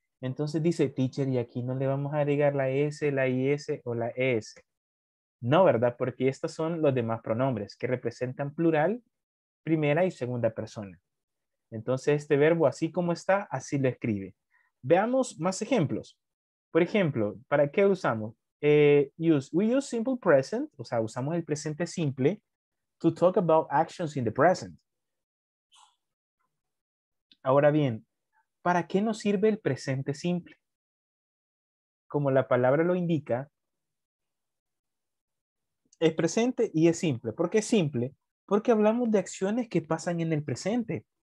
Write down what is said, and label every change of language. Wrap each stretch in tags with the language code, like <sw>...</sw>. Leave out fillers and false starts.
<es>Entonces dice, teacher, y aquí no le vamos a agregar la S, la IS o la ES. No, ¿verdad? Porque estos son los demás pronombres que representan plural, primera y segunda persona. Entonces este verbo, así como está, así lo escribe. Veamos más ejemplos. Por ejemplo, ¿para qué usamos?</es> <en>We use simple present,</en> <es>o sea, usamos el presente simple,</es> <en>to talk about actions in the present.</en> <es>Ahora bien, ¿para qué nos sirve el presente simple? Como la palabra lo indica, es presente y es simple. ¿Por qué es simple? Porque hablamos de acciones que pasan en el presente.</es>